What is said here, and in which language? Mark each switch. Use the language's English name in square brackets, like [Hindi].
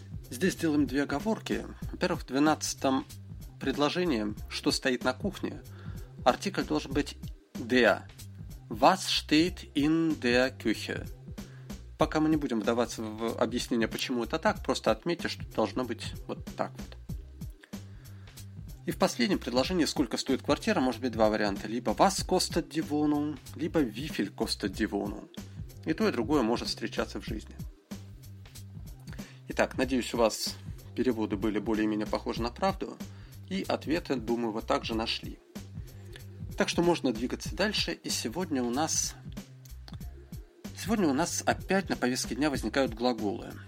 [Russian] Здесь делаем две оговорки. Во-первых, в 12-м предложении, что стоит на кухне, артикль должен быть der. [German] Was steht in der Küche? [Russian] Пока мы не будем вдаваться в объяснение, почему это так, просто отметьте, что должно быть вот так вот. И в последнем предложении, сколько стоит квартира, может быть два варианта. [German] Либо was kostet die Wohnung, либо wie viel kostet die Wohnung. [Russian] И то, и другое может встречаться в жизни. Итак, надеюсь, у вас переводы были более-менее похожи на правду, и ответы, думаю, вы также нашли. Так что можно двигаться дальше, и сегодня у нас опять на повестке дня возникают глаголы.